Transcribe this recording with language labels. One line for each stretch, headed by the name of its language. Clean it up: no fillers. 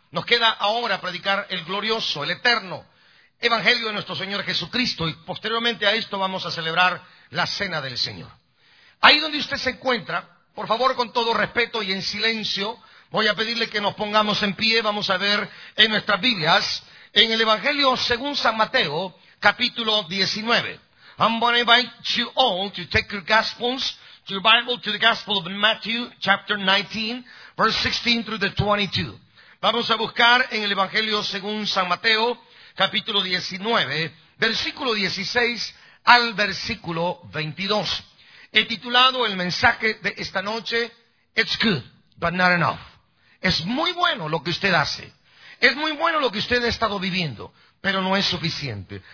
Spanish: Nos queda ahora predicar el glorioso, el eterno Evangelio de nuestro Señor Jesucristo. Y posteriormente a esto vamos a celebrar la Cena del Señor. Ahí donde usted se encuentra, por favor, con todo respeto y en silencio, voy a pedirle que nos pongamos en pie, vamos a ver en nuestras Biblias, en el Evangelio según San Mateo, capítulo 19.
English: I'm going to invite you all to take your Gospels, to your Bible, to the Gospel of Matthew, chapter 19, verse 16 through the 22.
Spanish: Vamos a buscar en el Evangelio según San Mateo, capítulo 19, versículo 16 al versículo 22. He titulado el mensaje de esta noche,
English: It's good, but not enough.
Spanish: Es muy bueno lo que usted hace. Es muy bueno lo que usted ha estado viviendo, pero no es suficiente.